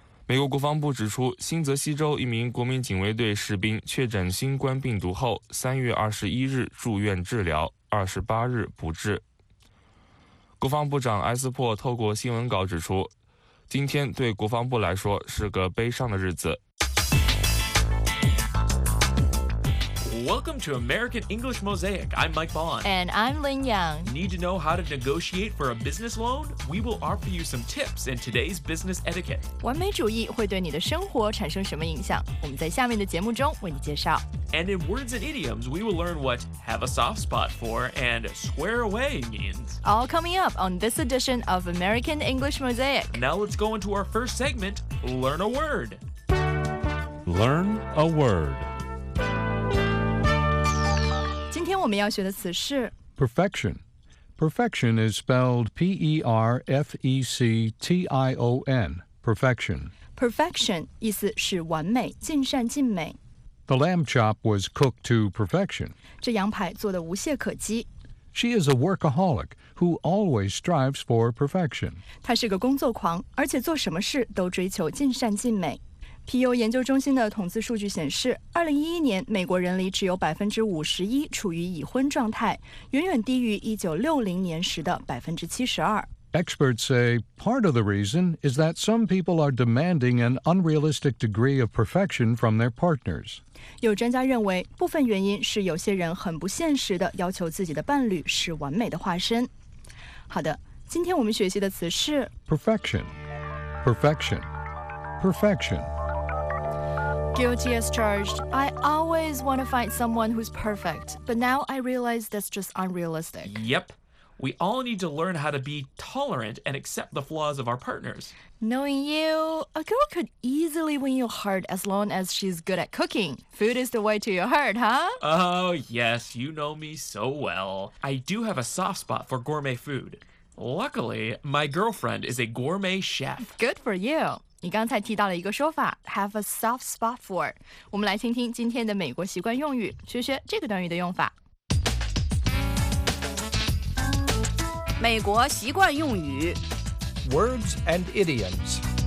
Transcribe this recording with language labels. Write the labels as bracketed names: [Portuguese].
[Chinese] 美国国防部指出，新泽西州一名国民警卫队士兵确诊新冠病毒后，3月21日住院治疗，28日不治。国防部长埃斯珀透过新闻稿指出，今天对国防部来说是个悲伤的日子。 [English] Welcome to American English Mosaic. I'm Mike Bond. And I'm Lin Yang. Need to know how to negotiate for a business loan? We will offer you some tips in today's business etiquette. [Chinese] 完美主义会对你的生活产生什么影响？我们在下面的节目中为你介绍。 [English] And in words and idioms, we will learn what have a soft spot for and square away means. All coming up on this edition of American English Mosaic. Now let's go into our first segment, Learn a Word. Learn a Word. [Chinese] 今天我们要学的词是 [English] perfection. Perfection is spelled P-E-R-F-E-C-T-I-O-N. Perfection. [Chinese] Perfection 意思是完美，尽善尽美。 [English] The lamb chop was cooked to perfection. [Chinese] 这羊排做得无懈可击。 [English] She is a workaholic who always strives for perfection. [Chinese] 她是个工作狂，而且做什么事都追求尽善尽美。 PU 研究中心的统计数据显示，2011年美国人里只有 51% 处于已婚状态，远远低于1960年时的 72%。 [English] Experts say part of the reason is that some people are demanding an unrealistic degree of perfection from their partners. [Chinese] 有专家认为，部分原因是有些人很不现实地要求自己的伴侣是完美的化身。好的，今天我们学习的词是 [English] Perfection. Perfection. Perfection. Guilty as charged. I always want to find someone who's perfect, but now I realize that's just unrealistic. Yep. We all need to learn how to be tolerant and accept the flaws of our partners. Knowing you, a girl could easily win your heart as long as she's good at cooking. Food is the way to your heart, huh? Oh, yes. You know me so well. I do have a soft spot for gourmet food. Luckily, my girlfriend is a gourmet chef. Good for you. [Chinese] 你刚才提到了一个说法 [English] have a soft spot for. [Chinese] 我们来听听今天的美国习惯用语，学学这个短语的用法。美国习惯用语 [English] Words and idioms.